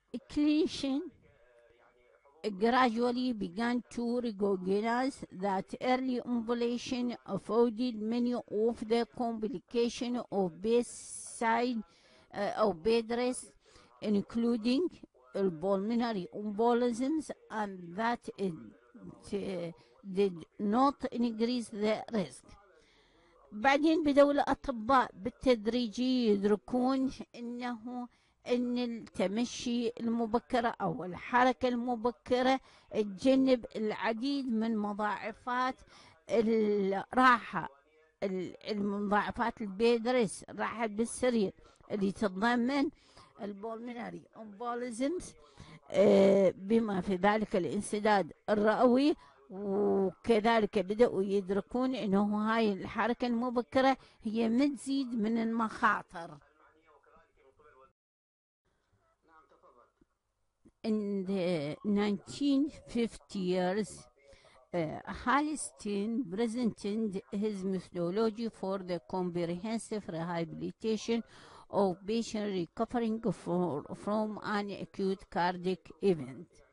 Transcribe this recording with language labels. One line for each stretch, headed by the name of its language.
English: Clinician gradually began to recognize that early ambulation avoided many of the complications of bedside of bed rest, including pulmonary embolisms, and that it did not increase the risk.
Arabic: بعدين بدأوا الأطباء بالتدريج يدركون إنه ان التمشي المبكرة او الحركة المبكرة تجنب العديد من مضاعفات الراحة، المضاعفات البيدرس الراحة بالسرير اللي تتضمن البولمناري امبوليزمز بما في ذلك الانسداد الرئوي. وكذلك بدأوا يدركون انه هاي الحركة المبكرة هي ما تزيد من المخاطر.
English: In the 1950 years, Hallstein presented his methodology for the comprehensive rehabilitation of patients recovering from an acute cardiac event.